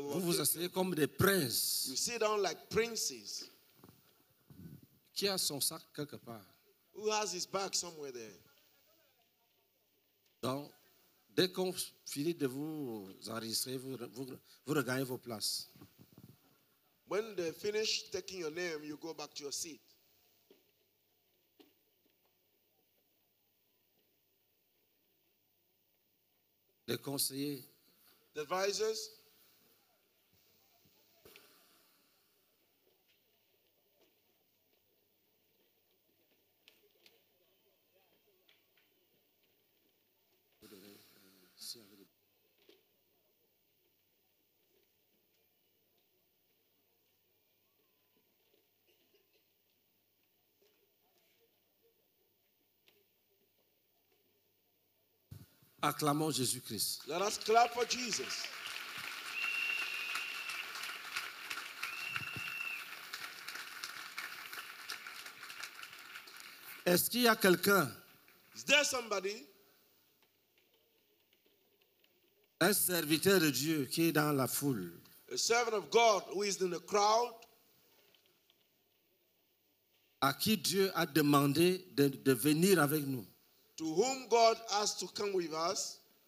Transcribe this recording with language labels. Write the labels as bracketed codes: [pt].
[fr] Vous vous asseyez comme des princes. [en] You sit down like princes. [fr] Qui a son sac quelque part? [en] Who has his bag somewhere there? [fr] Donc, dès qu'on finit de vous enregistrer, vous regagnez vos places. [en] When they finish taking your name, you go back to your seat. [fr] Les conseillers. [en] The advisors. [fr] Acclamons Jésus-Christ. [en] Let us clap for Jesus. [fr] Est-ce qu'il y a quelqu'un? [en] Is there somebody? [fr] Un serviteur de Dieu qui est dans la foule. [en] A servant of God who is in the crowd. [fr] À qui Dieu a demandé de venir avec nous. [en] To whom God asked to come with us.